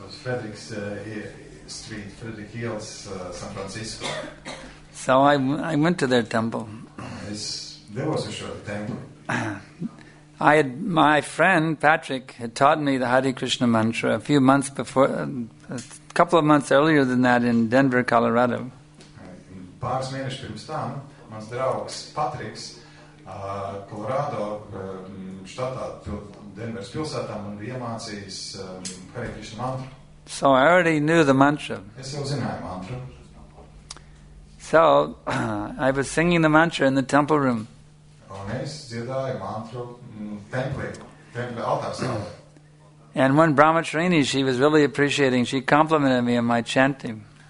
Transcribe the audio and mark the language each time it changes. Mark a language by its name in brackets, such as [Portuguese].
[Latvian] Uz Frederick's Street, Frederick Hills, San Francisco. [English] So I went to their temple. [Latvian] Es devos uz šo templi. [English] My friend Patrick had taught me the Hare Krishna mantra a few months before, a couple of months earlier than that in Denver, Colorado. [Latvian] Pāris mēnešus pirms tam, mans draugs Patriks Colorado štatā Denveras pilsētā man bija iemācījis Hare Krishna mantra. [English] So I already knew the mantra. [Latvian] Es jau zināju mantru. [English] So I was singing the mantra in the temple room. [Latvian] Un es dziedāju mantru templī altāra sālā. [English] And one Brahmacharini, she was really appreciating. She complimented me on my chanting.